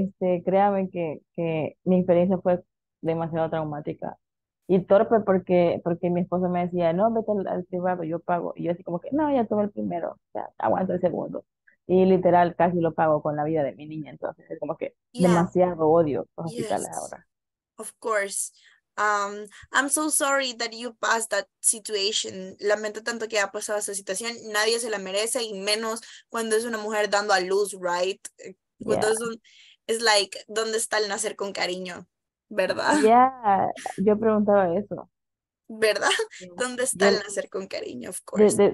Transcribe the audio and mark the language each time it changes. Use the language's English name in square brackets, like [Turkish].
[Spanish] Créame que mi experiencia fue demasiado traumática y torpe porque mi esposo me decía, no, vete al privado, yo pago. Y yo así como que, no, ya tomé el primero, ya aguanto el segundo. Y literal, casi lo pago con la vida de mi niña. Entonces, es como que demasiado odio los hospitales ahora. [English] Of course. I'm so sorry that you passed that situation. [Spanish] Lamento tanto que haya pasado esa situación. Nadie se la merece, y menos cuando es una mujer dando a luz, [English] right? It's like, [Spanish] ¿dónde está el nacer con cariño? ¿Verdad? Yo preguntaba eso. ¿Verdad? ¿Dónde está el nacer con cariño? [English] Of course.